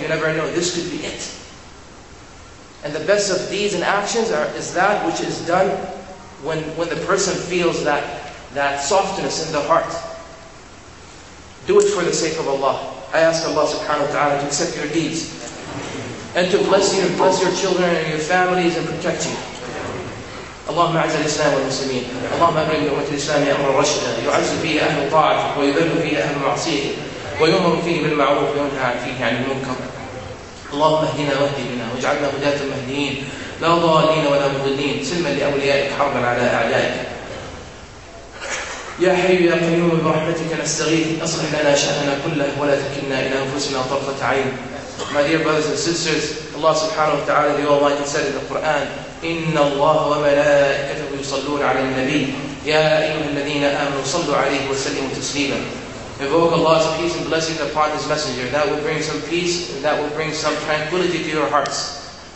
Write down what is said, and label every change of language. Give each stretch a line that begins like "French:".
English: You never know, this could be it. And the best of deeds and actions is that which is done when the person feels that softness in the heart. Do it for the sake of Allah. I ask Allah subhanahu wa ta'ala to accept your deeds and to bless you and bless your children and your families and protect you.
Arabic: اللهم اعز الاسلام والمسلمين، اللهم امر بالدعوة الاسلام امرا رشدا، يعز فيه اهل طاعتك ويذل فيه اهل معصيتك، ويؤمر فيه بالمعروف وينهى فيه عن المنكر. اللهم اهدنا واهد بنا واجعلنا هداة مهديين لا ضالين ولا مضلين سلما لأوليائك حربا على أعدائك يا حي يا قيوم برحمتك نستغيث أصلح لنا شأننا كله ولا تكلنا إلى أنفسنا طرفة عين.
English: My dear brothers and sisters, Allah subhanahu wa ta'ala, the Almighty said in the Quran,
Arabic: إِنَّ اللَّهَ وَمَلَائِكَتَهُ يُصَلُّونَ عَلَى النَّبِيِّ يَا أَيُّهَا الَّذِينَ آمَنُوا صَلُّوا عَلَيْهِ وَسَلِّمُوا تَسْلِيمًا.
English: Invoke Allah's peace and blessings upon His Messenger. That will bring some peace, and that will bring some tranquility to your hearts.